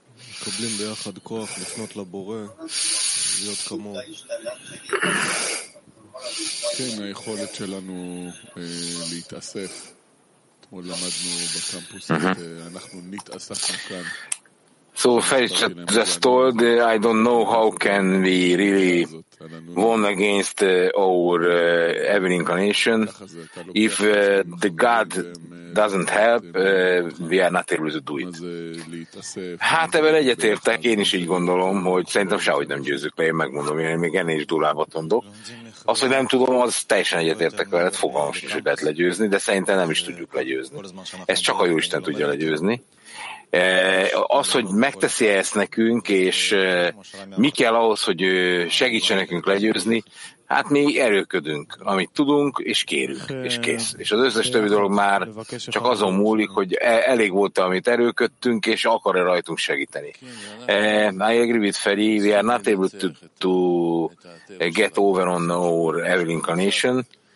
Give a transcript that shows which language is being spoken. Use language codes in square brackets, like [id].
[he] מקבלים ביחד כוח לפנות לבורא, להיות כמו. כן, היכולת שלנו להתאסף. אתמול למדנו בקמפוס, אנחנו נתאספנו כאן. [en] So Ferich just told, I don't know how can we really won against our every incarnation. If the God doesn't help, we are not able to do it. [hu] Hát ebben egyetértek, én is így gondolom, hogy szerintem sehogy nem győzzük le, én megmondom, én még ennél is durvábbat mondok. Azt, hogy nem tudom, az teljesen egyetértek veled, fogalmam sincs, hogy lehet legyőzni, de szerintem nem is tudjuk legyőzni. Ezt csak a Jóisten tudja legyőzni. Az, hogy megteszi ezt nekünk, és mi kell ahhoz, hogy segítsen nekünk legyőzni, hát mi erőködünk, amit tudunk, és kérünk, és kész. És az összes többi dolog már csak azon múlik, hogy elég volt-e, amit erőködtünk, és akar-e rajtunk segíteni. [en] I agree with Feri, we are not able to get over on our every incarnation.